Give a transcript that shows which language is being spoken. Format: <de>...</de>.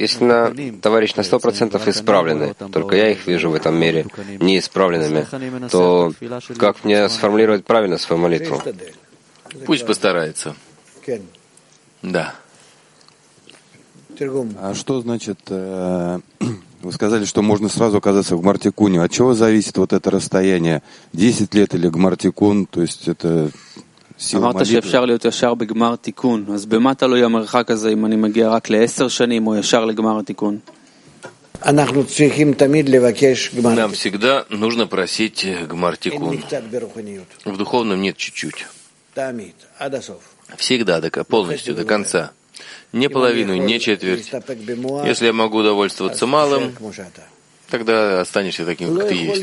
<ru>Если на товарищ на 100% исправлены, только я их вижу в этом мире неисправленными, то как мне сформулировать правильно свою молитву? Пусть постарается. Да. А что значит, вы сказали, что можно сразу оказаться в гмартикуне. От чего зависит вот это расстояние? 10 лет или гмартикун? То есть это...</ru> <he>אמרת שאפשר להיות ישר בגמר תיקון, אז במה תלוי המרחק הזה אם אני מגיע רק לעשר שנים או ישר לגמר התיקון? אנחנו צריכים תמיד לבקש גמר תיקון. נאם,</he> <ru>всегда нужно просить גמר תיקון. В духовном нет чуть-чуть.</ru> <he>תמיד, עד הסוף.</he> <ru>Всегда, полностью, до конца. Не половину, не четверть. Если я могу довольствоваться малым, тогда останешься таким, как ты есть.</ru>